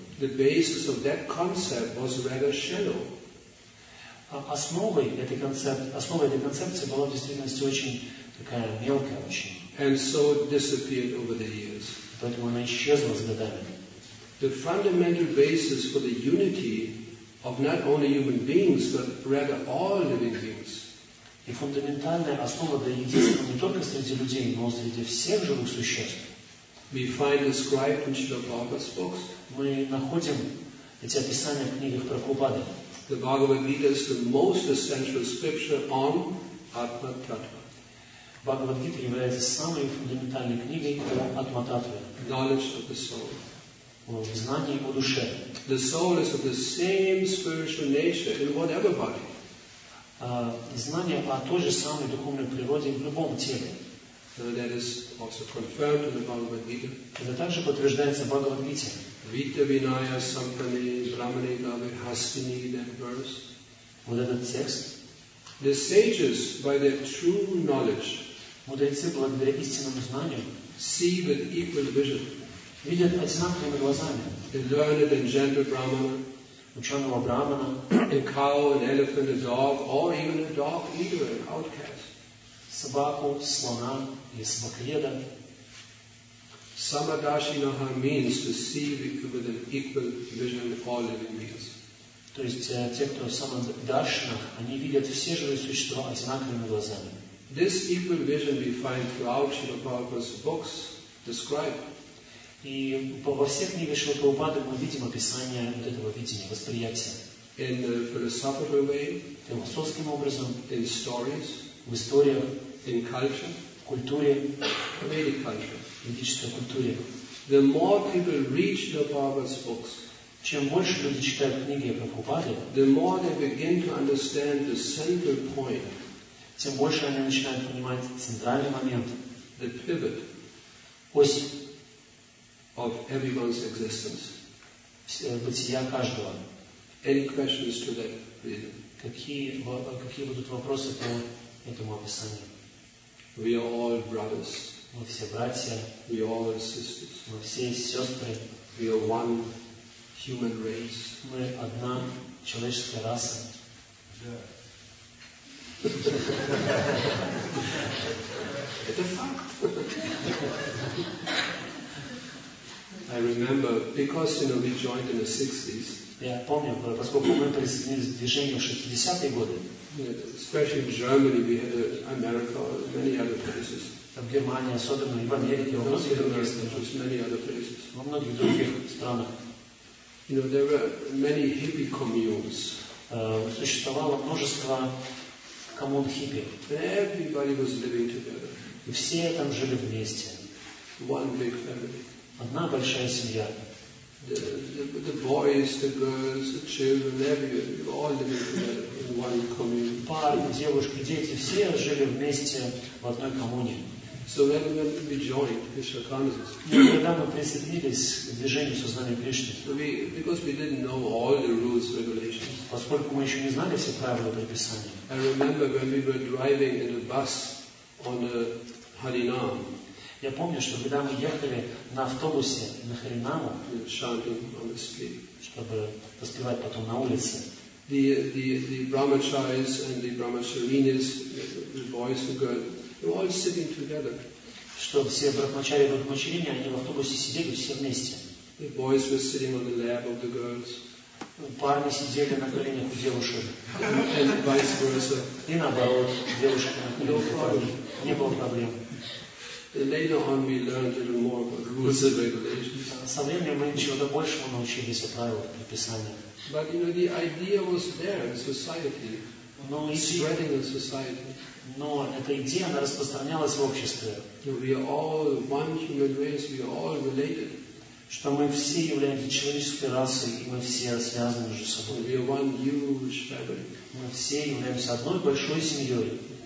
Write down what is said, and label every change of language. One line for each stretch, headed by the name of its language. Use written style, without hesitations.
English: The basis of that concept was rather shallow.
Russian: Основа этой концепции была в действительности очень такая мелкая очень.
English: And so it disappeared over the years.
Russian: Поэтому она исчезла с годами.
English: The fundamental basis for the unity of not only human beings, but rather all living beings.
Russian: И фундаментальная основа для единства не только среди людей, но и среди всех живых существ.
English: We find described in Srila Prabhupada's books.
Russian: Мы находим эти описания в книгах Прабхупады.
English: The Bhagavad Gita is the most essential scripture on Atma-Tattva.
Russian: Bhagavad Gita является самой фундаментальной книгой о Атма-Таттве.
English: Knowledge of the soul.
Russian: Знание о душе.
English: The soul is of the same spiritual nature in whatever body.
Russian: Знание о той же самой духовной природе в любом теле.
English: That is also confirmed in the Bhagavad Gita.
Russian: Это также подтверждается в Бхагавад Гите.
Sanskrit: Vita Vinaya Sampane Brahmane Gave Hastini,
English: that verse.
Russian: Вот этот текст.
English: The sages, by their true knowledge,
Russian: мудрецы, благодаря истинному знанию,
English: see with equal vision.
Russian: Видят одинаковыми глазами.
English: The learned and gentle Brahmana,
Russian: ученого Брахмана,
English: a cow, an elephant, a dog, or even a dog eater, an outcast.
Russian: Собаку, слона и собакоеда.
English: Samadarshinaha means to see with an equal vision all living beings.
Russian: То есть те, кто самадаршина, они видят все живые существа одинаковыми глазами.
English: This equal vision we find throughout Srila Prabhupada's books described.
Russian: И во всех книгах Шрилы Прабхупады мы видим описание вот этого видения, восприятия.
English: In the philosophical way.
Russian: Философским образом.
English: In stories.
Russian: В историях.
English: In culture.
Russian: В культуре.
English: Vedic culture.
Russian: Ведическая культура.
English: The more people read Srila Prabhupada's books,
Russian: чем больше люди читают книги о Прабхупаде,
English: the more they begin to understand the central point,
Russian: тем больше они начинают понимать центральный момент,
English: the pivot,
Russian: ось
English: of everyone's existence,
Russian: бытия каждого.
English: Any questions to that?
Russian: Какие будут вопросы по этому описанию?
English: We are all brothers.
Russian: Мы все братья.
English: We all are sisters.
Russian: Мы все сестры.
English: We are one human race.
Russian: Мы одна человеческая раса. Это факт.
English: I remember, because you know we joined in the 60s.
Russian: Я помню, поскольку мы присоединились к движению в 60-е годы.
English: Especially in Germany, we had America, many other places.
Russian: в Германии, особенно и в Америке, во многих других странах. Во многих других странах.
English: You know, there were many hippie communes.
Russian: Существовало множество коммун хиппи.
English: Everybody was living together.
Russian: И все там жили вместе.
English: One big family.
Russian: Одна большая семья.
English: The boys, the girls, the children, everybody, all living in one commune.
Russian: Парни, девушки, дети, все жили вместе в одной коммуне.
English: So when we joined Krishna Consciousness,
Russian: когда мы присоединились к движению сознания Кришны,
English: because we didn't know all the rules, regulations,
Russian: поскольку мы еще не знали все правила предписания.
English: I remember when we were driving in a bus on the Harinam.
Russian: Я помню, что когда мы ехали на автобусе на Харинаму, чтобы поспевать потом на улице,
English: the brahmacharis and the brahmacharinis, the boys and girls. We're all sitting together.
Russian: Что все брахмачари и брахмачарини, они в автобусе сидели все вместе.
English: The boys were sitting on the lap of the girls.
Russian: Парни сидели на коленях у девушек.
English: And vice versa.
Russian: И наоборот, девушки на коленях. Не было проблем.
English: And later on we learned a little more about rules and regulations.
Russian: Со временем мы чего-то большего научились о правилах предписания.
English: But you know, the idea was there in society.
Russian: Но
English: spreading in society.
Russian: Но эта идея, она распространялась в обществе.
English: We are all one human race, we are all related.
Russian: Что мы все являемся человеческой расой, и мы все связаны между собой.
English: We are one huge family.
Russian: Мы все являемся одной большой семьей.